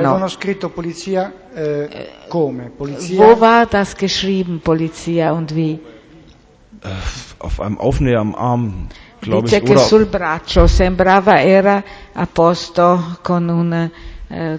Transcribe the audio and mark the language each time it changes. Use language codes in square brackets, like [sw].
[it] Avevano scritto polizia come? Polizia? [de] Wo war das geschrieben, polizia, und wie? Auf einem Aufnäher am Arm, glaube ich. [it] Dice che sul braccio sembrava era a posto con un...